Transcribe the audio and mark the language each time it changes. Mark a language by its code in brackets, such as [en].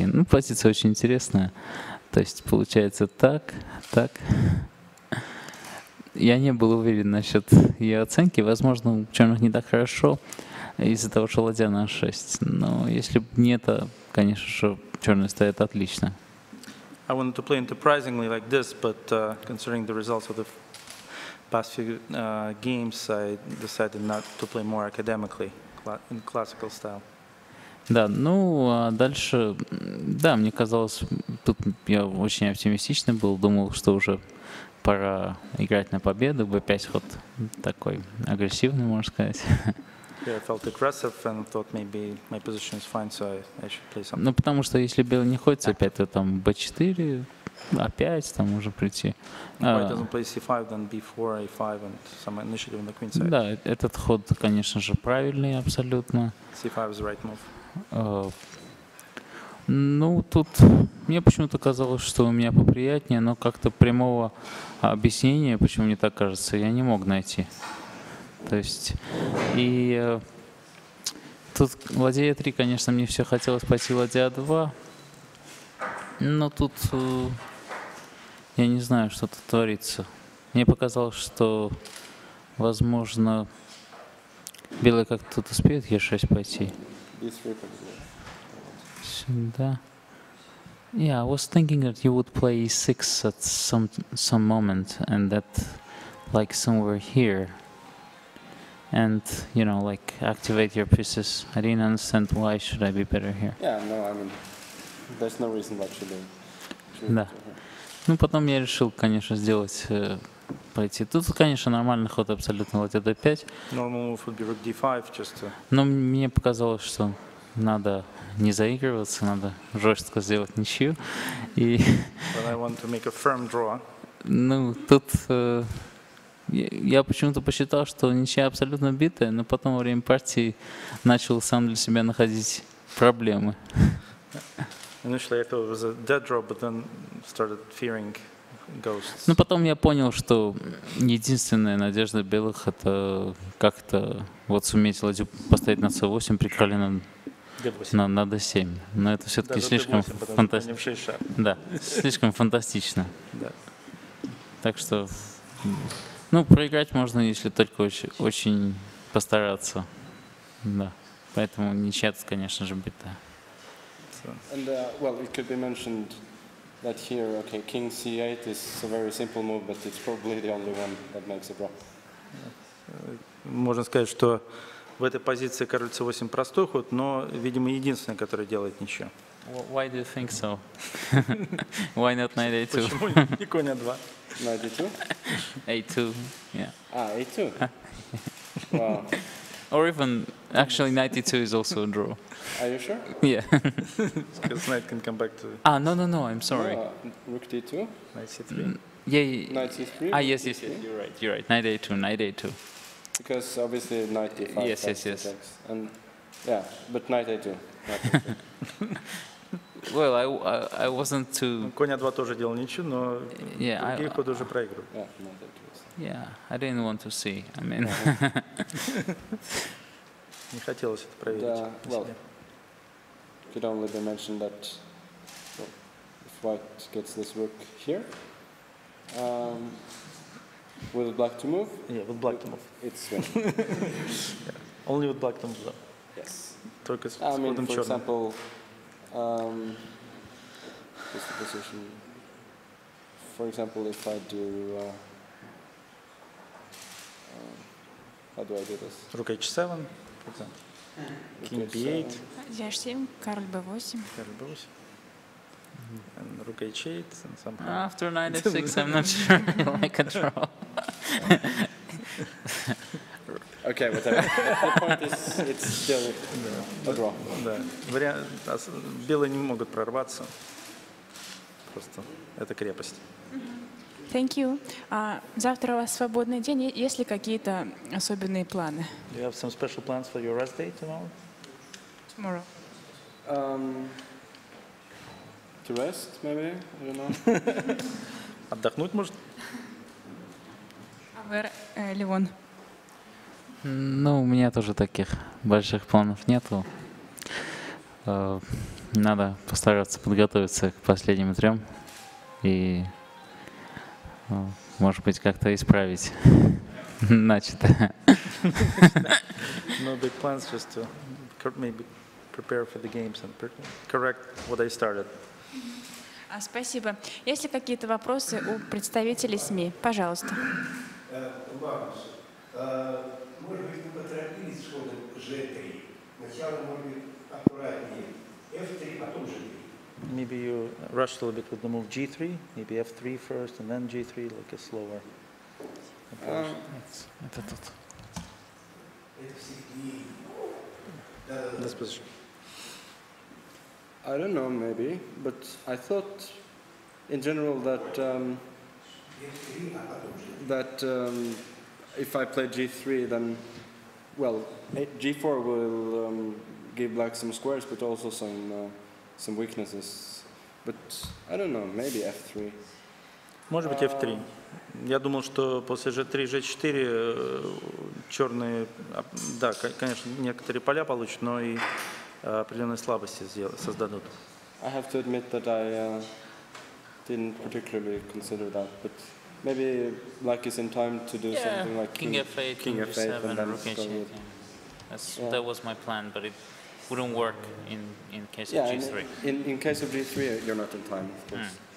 [ru] Ну, позиция очень интересная. То есть получается так, так. Я не был уверен насчет ее оценки. Возможно, у черных не так хорошо из-за того, что ладья на H6. Но если бы не это, конечно же, черные стоят отлично. [en] I wanted to play enterprisingly like this, but considering the results of the past few games, I decided not to play more academically, in classical style. [ru] Да, ну, а дальше, да, мне казалось, тут я очень оптимистичный был, думал, что уже пора играть на победу, B5 ход такой агрессивный, можно сказать. [en] Yeah, I felt aggressive and thought maybe my position is fine, so I should play something. [ru] Ну, потому что если белый не ходит, опять то там B4, A5, там уже прийти. [en] White doesn't play C5, then B4, A5, and some initiative on the queen side. [ru] Да, этот ход, конечно же, правильный абсолютно. [en] C5 is the right move. [ru] Ну, тут мне почему-то казалось, что у меня поприятнее, но как-то прямого объяснения, почему мне так кажется, я не мог найти. То есть, и тут ладья E3, конечно, мне все хотелось пойти ладья A2, но тут я не знаю, что тут творится. Мне показалось, что, возможно, белый как-то тут успеет E6 пойти. Сюда. [en] Yeah, I was thinking that you would play E6 at some moment, and that, like, somewhere here. And, you know, like, activate your pieces. I didn't understand why should I be better here. Yeah, no, I mean, there's no reason why should I. [ru] Да. Ну, потом я решил, конечно, пойти. Тут, конечно, нормальный ход абсолютно, ладья D5. [en] Normal move would be rook D5, just to... [ru] Но мне показалось, что надо не заигрываться, надо жестко сделать ничью. И... [en] But I want to make a firm draw. [ru] Ну, тут... Я почему-то посчитал, что ничья абсолютно битая, но потом во время партии начал сам для себя находить проблемы. Initially I thought it was a dead draw, but then started fearing ghosts. Но потом я понял, что единственная надежда белых — это как-то вот суметь ладью поставить на c8 при короле на d7. Но это все-таки слишком фантастично. Да, слишком фантастично. Так что... Ну, проиграть можно, если только очень, очень постараться, да. Поэтому ничья, конечно же, бита. [en] And, well, it could be mentioned that here, okay, king c8 is a very simple move, but it's probably the only one that makes a draw. [ru] Можно сказать, что в этой позиции король c8 простой ход, но, видимо, единственный, который делает ничью. [en] Why do you think so? Why not knight a2? [ru] Почему не конь a2? [en] Knight a2? A2, yeah. Ah, a2. Wow. Or even actually knight e2 is also a draw. Are you sure? Yeah. Because knight can come back to. Ah, no, no, no, I'm sorry. Rook d2. Knight c3. Yeah. Knight c3. Ah, yes, yes, yes. You're right. Knight a2, knight a2. Because obviously knight d5. Yes, yes, yes. Attacks. And yeah, but knight a2. Well, I wasn't too. [ru] Конь a2 тоже делал ничего, но другие ходы уже проигрывают. [en] Yeah, knight a2. Yeah, I didn't want to see. I mean, [ru] не хотелось это проверить. [en] Yeah, well, could only be mentioned that if white gets this rook here, with black to move. Yeah, with black to move. It's winning. Yeah. Only with black to move. Yes. [ru] Только с ходом черным. [en] For example, just the position. For example, if I do. [ru] Рука [en] h7, king b8, [ru] h7, король b8, рука [en] h8, and somehow. After knight f6, I'm not sure I can draw. Okay, whatever. The point is, it's still a draw. Да, белые не могут прорваться, просто это крепость. Thank you. [ru] Завтра у вас свободный день. Есть ли какие-то особенные планы? [en] Do you have some special plans for your rest day tomorrow? Tomorrow. To rest, maybe? I don't know. [ru] Отдохнуть, может? А вы, Леон? Ну, у меня тоже таких больших планов нету. Надо постараться подготовиться к последним трем и может быть, как-то исправить начатое. [en] No big plans, just to maybe prepare for the games and correct what I started. [ru] Спасибо. Есть ли какие-то вопросы у представителей СМИ? Пожалуйста. Барбус, может быть, вы поторопились с ходом g3? Сначала, может быть, аккуратнее. f3, потом g3. [en] Maybe you rushed a little bit with the move g3, maybe f3 first and then g3, like a slower approach. This position. I don't know, maybe, but I thought in general that if I play g3, then, well, g4 will give black some squares, but also some weaknesses, but I don't know, maybe f3. [ru] Может быть f3. Я думал, что после g3, g4 черные, да, конечно, некоторые поля получат, но и определенные слабости создадут. [en] I have to admit that I didn't particularly consider that, but maybe black is in time to do something like king f8, king f7, and rook h8. That was my plan, but it wouldn't work in case of g3. In case of g3, you're not in time, of course.